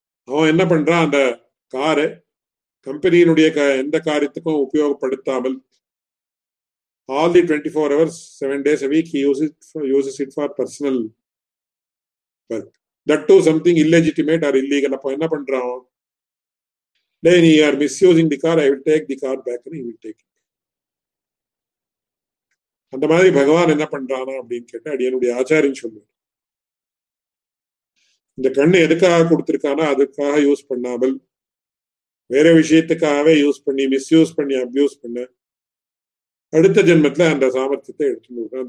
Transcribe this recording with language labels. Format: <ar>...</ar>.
<ta>அவன் என்ன பண்றான், அந்த காரை கம்பெனியினுடைய எந்த காரியத்துக்கும் உபயோகப்படுத்தாமல்,</ta> <en>All the 24 hours 7 days a week he uses it for personal work. That too something illegitimate or illegal.</en> <ta>அப்போ என்ன பண்றான்,</ta> <en>then you are misusing the car, I will take the car back and he will take it.</en> <ta>அந்த மாதிரி பகவான் என்ன பண்றானா அப்படின்னு கேட்டா, அடியனுடைய ஆச்சாரம் சொல்லுவார், இந்த கண்ணு எதுக்காக கொடுத்திருக்கானா, அதுக்காக யூஸ் பண்ணாமல் வேற விஷயத்துக்காகவே யூஸ் பண்ணி, மிஸ்யூஸ் பண்ணி, அப்யூஸ் பண்ண, அடுத்த ஜென்மத்துல அந்த சாமர்த்தியத்தை எடுத்துட்டு வரணும்.</ta>